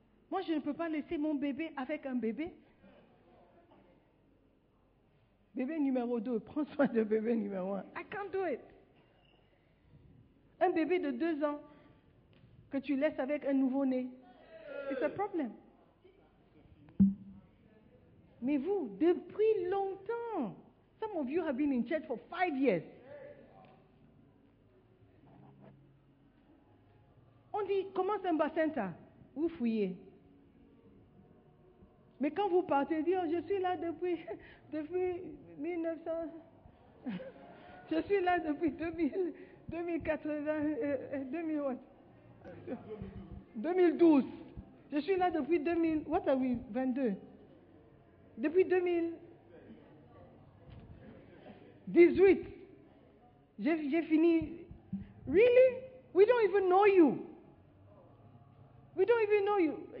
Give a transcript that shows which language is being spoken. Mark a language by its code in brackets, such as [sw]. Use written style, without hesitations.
[fr] Moi, je ne peux pas laisser mon bébé avec un bébé. Bébé numéro 2, prends soin de bébé numéro 1. [en] I can't do it. [fr] Un bébé de 2 ans que tu laisses avec un nouveau-né, [en] it's a problem. [fr] Mais vous, depuis longtemps, [en] some of you have been in church for 5 years. [fr] On dit, commence un bacenta, vous fouillez. Mais quand vous partez, dites, oh, je suis là depuis 1900, je suis là depuis 2012, je suis là depuis 2000, [en] what are we, 22, [fr] depuis 2018, j'ai fini, [en] really, we don't even know you. [fr] We don't even know you.